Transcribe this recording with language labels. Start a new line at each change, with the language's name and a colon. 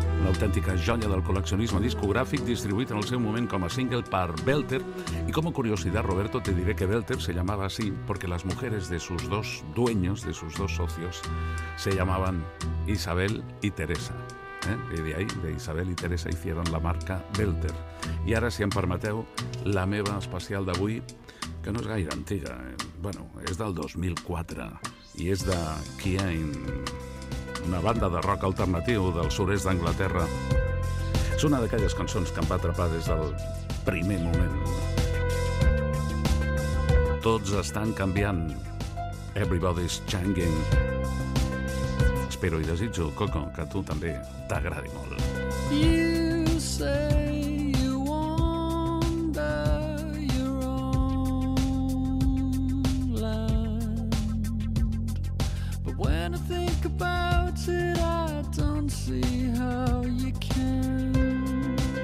Catalan: L'autèntica joia del col·leccionisme discogràfic, distribuït en el seu moment com a single per Belter. I com a curiositat,
Spanish: Roberto, te diré que Belter se llamava así porque las mujeres de sus dos dueños, de sus dos socios, se llamaban Isabel y Teresa. I de ahí, de Isabel i Teresa, hicieron la marca Belter.
Catalan: I ara, si em permeteu, la meva especial d'avui, que no és gaire antiga, bueno, és del 2004 i és de Keane, una banda de rock alternatiu del sud-est d'Anglaterra. És una d'aquelles cançons que em va atrapar des del primer moment. Tots estan canviant. Everybody's changing. Espero i desitjo, Coco, que a tu també t'agradi molt.
English: You say you wander your own land, but when I think about it, I don't see how you can.